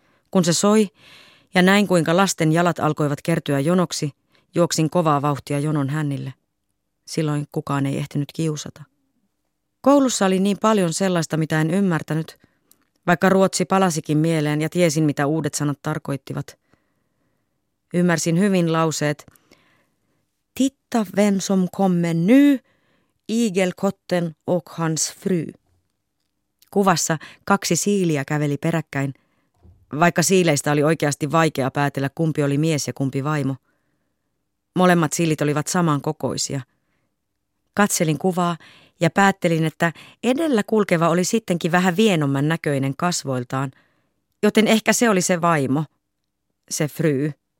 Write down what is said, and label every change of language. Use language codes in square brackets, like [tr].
[fi] Kun se soi ja näin kuinka lasten jalat alkoivat kertyä jonoksi, juoksin kovaa vauhtia jonon hännille. Silloin kukaan ei ehtinyt kiusata. Koulussa oli niin paljon sellaista, mitä en ymmärtänyt, vaikka ruotsi palasikin mieleen ja tiesin, mitä uudet sanat tarkoittivat. Ymmärsin hyvin lauseet. [sv] Titta vem som kommer nu, igelkotten och hans fru. [fi] Kuvassa kaksi siiliä käveli peräkkäin, vaikka siileistä oli oikeasti vaikea päätellä, kumpi oli mies ja kumpi vaimo. Molemmat siilit olivat samankokoisia. Katselin kuvaa ja päättelin, että edellä kulkeva oli sittenkin vähän vienomman näköinen kasvoiltaan, joten ehkä se oli se vaimo, se fru.